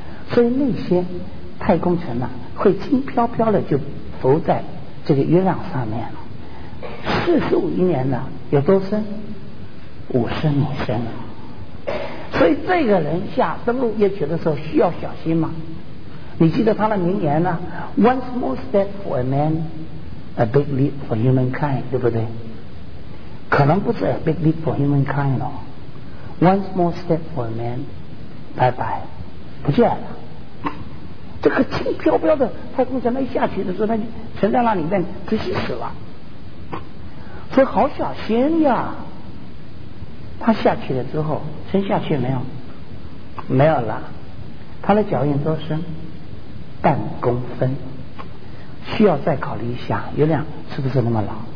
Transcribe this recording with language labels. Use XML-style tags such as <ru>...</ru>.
<zh>所以那些太空城呢、啊，会轻飘飘的就浮在这个月亮上面了。 45亿年呢，有多深？50米深。所以这个人下登陆月球的时候需要小心吗？你记得他的名言呢</zh> <en>？One small step for a man, a big leap for humankind，</en> <zh>对不对？可能不是</zh> <en>a big leap for humankind</en> <zh>哦。</zh> <en>One small step for a man，</en> <zh>拜拜，不见了。这个轻飘飘的太空船，那一下去的时候，他就沉在那里面窒息死了。所以好小心呀！他下去了之后，沉下去没有？没有了。他的脚印多深？半公分，需要再考虑一下，月亮是不是那么老？</zh>